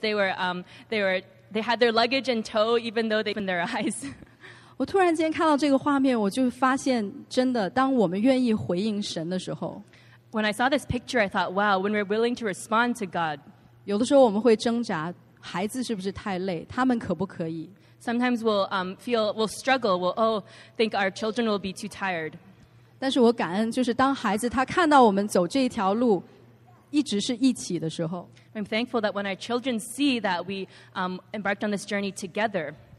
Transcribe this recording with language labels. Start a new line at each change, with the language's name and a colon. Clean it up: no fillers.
English: They had their luggage in tow, even though they opened their eyes.
Chinese: 我突然间看到这个画面，我就发现，真的，当我们愿意回应神的时候，
English: When I saw this picture, I thought, "Wow, when we're willing to respond to God."
Chinese: 有的时候我们会挣扎。孩子是不是太累？他们可不可以？
English: Sometimes we'll struggle. We'll think our children will be too tired.
Chinese: 但是我感恩，就是当孩子他看到我们走这一条路，一直是一起的时候。
English: I'm thankful that when our children see that we embarked on this journey together,